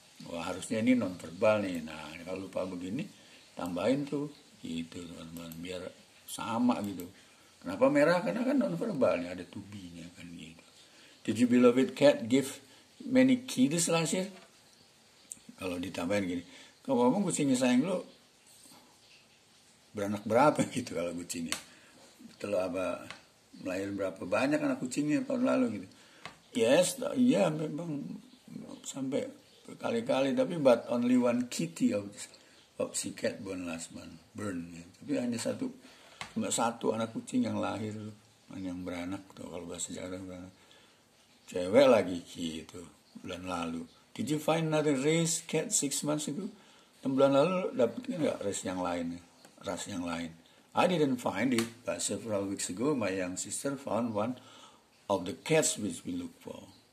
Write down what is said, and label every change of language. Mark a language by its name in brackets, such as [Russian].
[Indonesian] Wah, harusnya ini non verbal nih. Nah kalau lupa begini tambahin tuh gitu teman-teman biar sama gitu. Kenapa merah? Karena kan non verbal nih, ada tubinya kan gitu. [English] Did your beloved cat give many kids last year? [Indonesian] Kalau ditambahin gini, kalau ngomong kucingnya sayang lo beranak berapa gitu, kalau kucingnya telah apa melahir berapa banyak anak kucingnya tahun lalu gitu. [English] Yes, [Indonesian] iya memang sampai berkali-kali, tapi [English] but only one kitty of the cat born last month burn gitu. [Indonesian] Tapi hanya satu, cuma satu anak kucing yang lahir yang beranak tuh, kalau bahasa Jakarta beranak, cewek lagi gitu bulan lalu. [English] Did you find another race cat 6 months ago? [Indonesian] Bulan lalu dapetnya nggak race yang lain, ras yang lain? [English] I didn't find it, but several weeks ago my young sister found one of the cats which we look for.